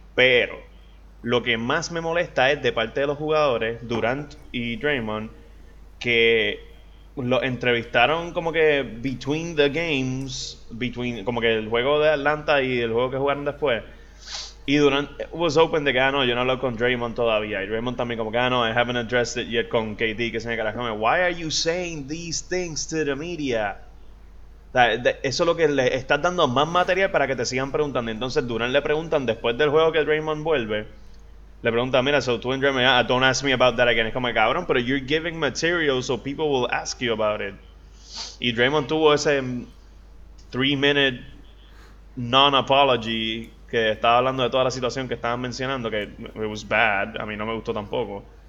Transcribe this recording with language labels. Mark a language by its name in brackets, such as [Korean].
[Spanish] Pero, lo que más me molesta es de parte de los jugadores, Durant y Draymond, que lo entrevistaron como que [English] between the games, [Spanish] between como que el juego de Atlanta y el juego que jugaron después. Y Durant [English] was open [Spanish] de que, ah, no, yo no hablo con Draymond todavía. Y Draymond también como que, ah, no, [English] I haven't addressed it yet [Spanish] con KD, que se me carajo. [English] Why are you saying these things to the media? [Spanish] Eso es lo que le estás dando más material para que te sigan preguntando. Entonces Durant le preguntan, después del juego que Draymond vuelve, le preguntan, mira, so tú and Draymond, ah, [English] don't ask me about that again. [Spanish] Es como, cabrón, pero [English] you're giving material so people will ask you about it. [Spanish] Y Draymond tuvo ese 3-minute non-apology que estaba hablando de toda la situación que estaban mencionando, que [English] it was bad, [Spanish] a mí no me gustó tampoco.